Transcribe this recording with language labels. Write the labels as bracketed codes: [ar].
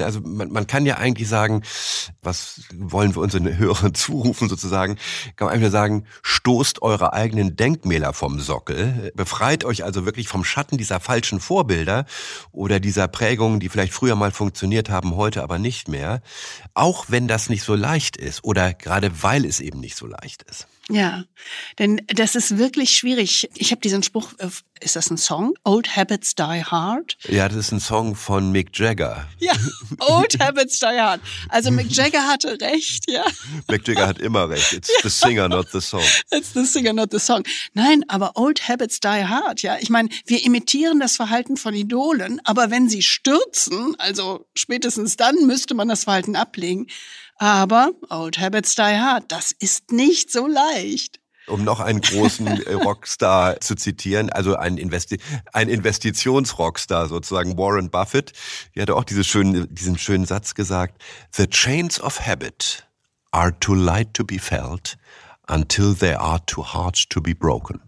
[de] Also man kann ja eigentlich sagen, was wollen wir unseren Hörern zurufen sozusagen, kann man einfach nur sagen, stoßt eure eigenen Denkmäler vom Sockel, befreit euch also wirklich vom Schatten dieser falschen Vorbilder oder dieser Prägungen, die vielleicht früher mal funktioniert haben, heute aber nicht mehr, auch wenn das nicht so leicht ist oder gerade weil es eben nicht so leicht ist. Ja, denn das ist wirklich schwierig. Ich habe diesen Spruch, ist das ein Song? [en] Old Habits Die Hard? [de] Ja, das ist ein Song von Mick Jagger. Ja, Old Habits Die Hard. Also Mick Jagger hatte recht, ja. Mick Jagger hat immer recht. [en] It's the singer, not the song. It's the singer, not the song. [de] Nein, aber Old Habits Die Hard, ja. Ich meine, wir imitieren das Verhalten von Idolen, aber wenn sie stürzen, also spätestens dann müsste man das Verhalten ablegen. Aber Old Habits Die Hard, das ist nicht so leicht. Um noch einen großen Rockstar zu zitieren, also ein Investitionsrockstar sozusagen, Warren Buffett, der hat auch diesen schönen Satz gesagt, [en] The chains of habit are too light to be felt until they are too hard to be broken.